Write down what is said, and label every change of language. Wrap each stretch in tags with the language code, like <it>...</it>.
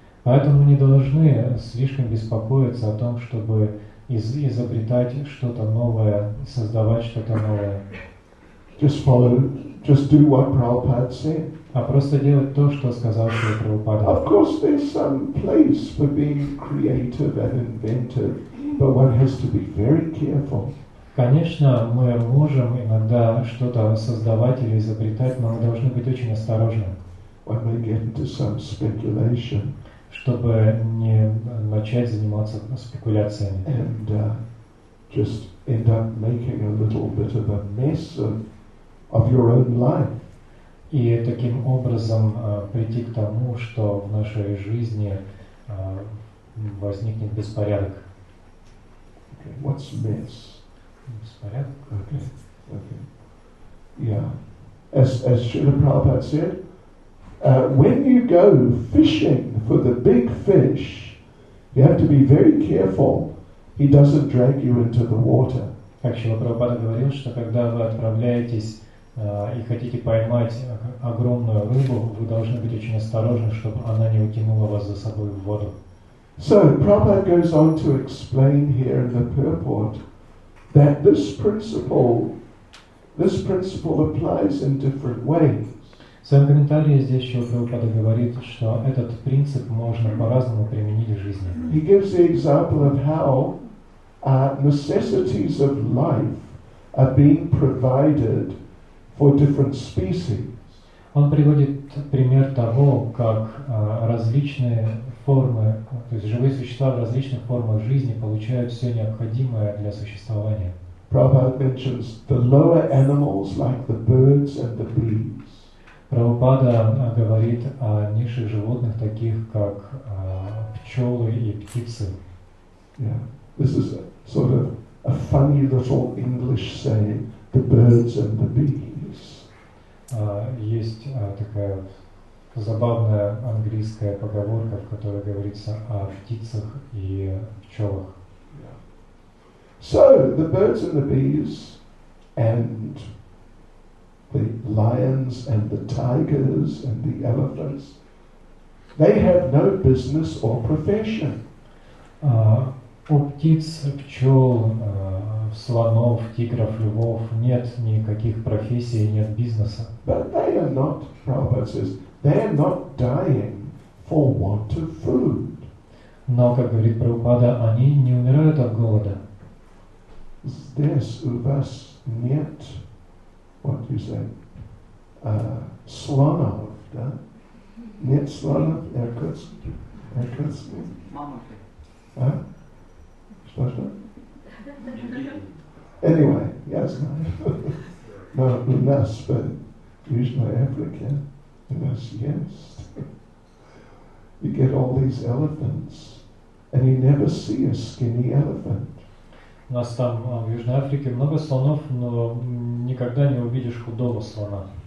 <ru>Поэтому мы не должны слишком беспокоиться о том, чтобы изобретать что-то новое, создавать что-то новое.</ru> <en>Just follow, just do what Prabhupada said.</en> <ru>А просто делать то, что сказал Шрила Прабхупада.</ru> <en>Of course, there's some place for being creative and inventive. But one has to be very careful.</en> <ru>Конечно, мы можем иногда что-то создавать или изобретать, но мы должны быть очень осторожны.</ru> <en>One may get into some speculation.</en> <ru>Чтобы не начать заниматься спекуляциями.</ru> <en>And just end up making a little bit of a mess of your own life.</en> <ru>И таким образом прийти к тому, что в нашей жизни возникнет беспорядок.</ru> <en>What's mess?</en> <ru>Беспорядок. Okay. Yeah.</ru> <en>As Srila Prabhupada said, when you go fishing for the big fish, you have to be very careful he doesn't drag you into the water.</en> <ru>Как Шрила Прабхупада говорил, что когда вы отправляетесь и хотите поймать огромную рыбу, вы должны быть очень осторожны, чтобы она не утянула вас за собой в воду.</ru> <en>So Prabhupada goes on to explain here in the purport that this principle applies in different ways.</en> <ru>В своем комментарии здесь Шрила Прабхупада говорит, что этот принцип можно по-разному применить в жизни.</ru> <en>He gives the example of how necessities of life are being provided for different species.</en> <ru>Он приводит пример того, как различные формы, то есть живые существа в различных формах жизни получают все необходимое для существования.</ru> <en>Prabhupada mentions the lower animals, like the birds and the bees.</en> <ru>Прабхупада говорит о низших животных, таких как пчелы и птицы. Yeah.</ru> <en>This is a sort of a funny little English saying, the birds and the bees.</en> <ru>Есть такая забавная английская поговорка, в которой говорится о птицах и пчелах.</ru> <en>So the birds and the bees and the lions and the tigers and the elephants, they have no business or profession.</en> <ru>У птиц, пчел, слонов, тигров, львов нет никаких профессий, нет бизнеса.</ru> <en>But they are not, Prabhupada says, they're not dying for want of food.</en> <ru>Но, как говорит Прабхупада, они не умирают от голода. Здесь у вас нет,</ru> <en>what you say,</en> <ru>слонов, да? Нет слонов, Иркутск? Мамонты. А? Что?</ru> <en>Anyway, yes, no,</en> <ru>у нас в Южной Африке.</ru> <en>Yes. You get all these elephants, and you never see a skinny elephant.</en> <ru>У нас там в Южной Африке много слонов, но никогда не увидишь худого слона.</ru>